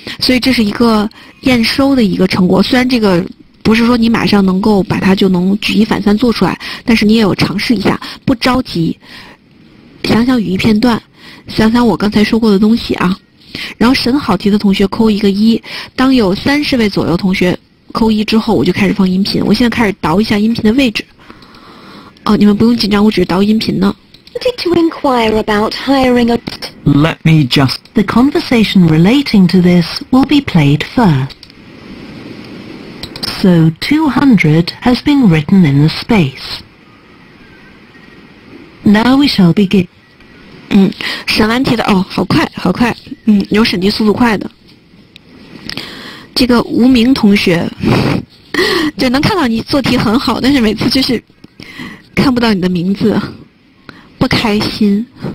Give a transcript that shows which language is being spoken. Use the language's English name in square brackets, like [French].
[Chinese] 所以这是一个验收的一个成果，虽然这个不是说你马上能够把它就能举一反三做出来，但是你也有尝试一下，不着急，想想语义片段，想想我刚才说过的东西啊，然后审好题的同学扣一个一，当有30位左右同学扣一之后，我就开始放音频，我现在开始导一下音频的位置，哦，你们不用紧张，我只是导音频呢。 [English] To inquire about hiring a... Let me just... The conversation relating to this will be played first. So 200 has been written in the space. Now we shall begin. [Chinese] 审完题的，哦，好快，好快，有审题速度快的。这个无名同学，就能看到你做题很好，但是每次就是看不到你的名字，不开心。